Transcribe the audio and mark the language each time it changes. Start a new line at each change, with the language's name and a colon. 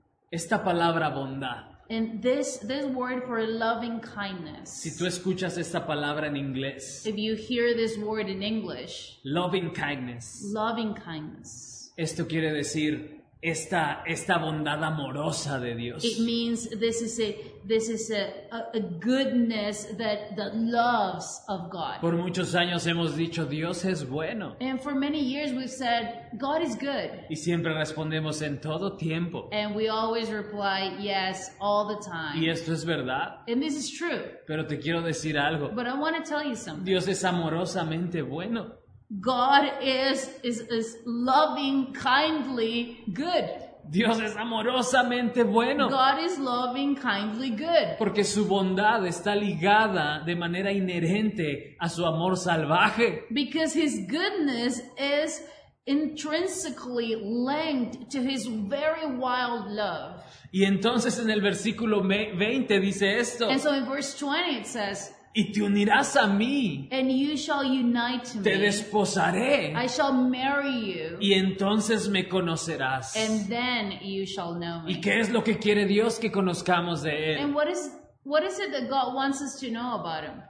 Spanish: Esta palabra bondad.
English: And this word for loving kindness.
Spanish: Si tú escuchas esta palabra en inglés.
English: If you hear this word in English. Loving kindness. Loving kindness.
Spanish: Esto quiere decir esta bondad amorosa de Dios.
English: It means this is a goodness that loves of God.
Spanish: Por muchos años hemos dicho Dios es bueno.
English: And for many years we've said God is good.
Spanish: Y siempre respondemos en todo tiempo.
English: And we always reply yes all the time.
Spanish: Y esto es verdad.
English: And this is true.
Spanish: Pero te quiero decir algo.
English: But I want to tell you something.
Spanish: Dios es amorosamente bueno.
English: God is loving kindly good.
Spanish: Dios es amorosamente bueno.
English: God is loving kindly good.
Spanish: Porque su bondad está ligada de manera inherente a su amor salvaje.
English: Because his goodness is intrinsically linked to his very wild love.
Spanish: Y entonces en el versículo 20 dice esto.
English: And so in verse 20 it says,
Spanish: y te unirás a mí.
English: And you shall unite to
Spanish: te
English: me.
Spanish: Desposaré.
English: I shall marry you.
Spanish: Y entonces me conocerás.
English: And then you shall know me.
Spanish: ¿Y qué es lo que quiere Dios que conozcamos de él?
English: And what is it that God wants us to know about him?